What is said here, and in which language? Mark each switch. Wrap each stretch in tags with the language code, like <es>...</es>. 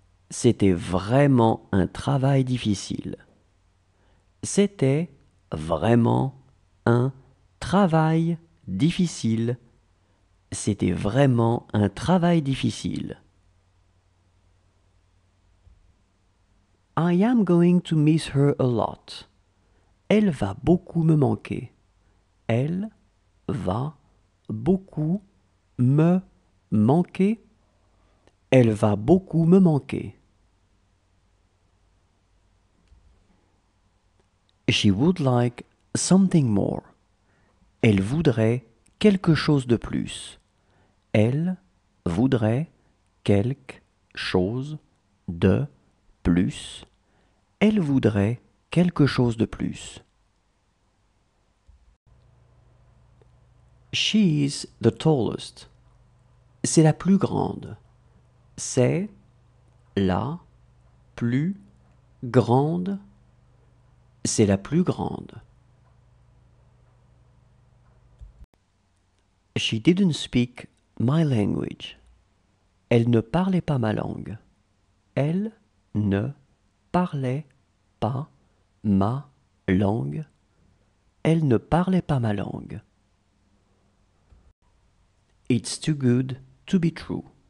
<fr>C'était vraiment un travail difficile. C'était vraiment un travail difficile. C'était vraiment un travail difficile.</fr> <en>I am going to miss her a lot.</en> <fr>Elle va beaucoup me manquer. Elle va beaucoup me manquer. Elle va beaucoup me manquer.</fr> <en>She would like something more.</en> <fr>Elle voudrait quelque chose de plus. Elle voudrait quelque chose de plus. Elle voudrait quelque chose de plus.</fr> <en>She is the tallest.</en> <fr>C'est la plus grande. C'est la plus Grande, c'est la plus grande.</fr> <en>She didn't speak my language.</en> <fr>Elle ne parlait pas ma langue. Elle ne parlait pas ma langue. Elle ne parlait pas ma langue.</fr> <en>It's too good to be true.</en>